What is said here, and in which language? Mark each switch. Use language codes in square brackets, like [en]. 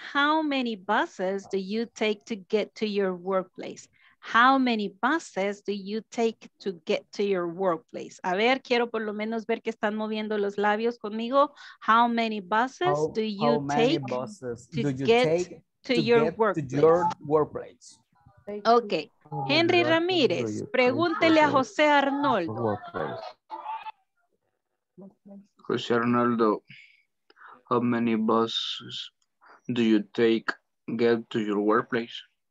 [en] How many buses do you take to get to your workplace? How many buses do you take to get to your workplace? [es] A ver, quiero por lo menos ver que están moviendo los labios conmigo. [en] How many buses do you take to get to your workplace? [es] Ok. Henry Ramírez, pregúntele a José Arnoldo. [en] José Arnoldo, how many buses do you take to get to your workplace?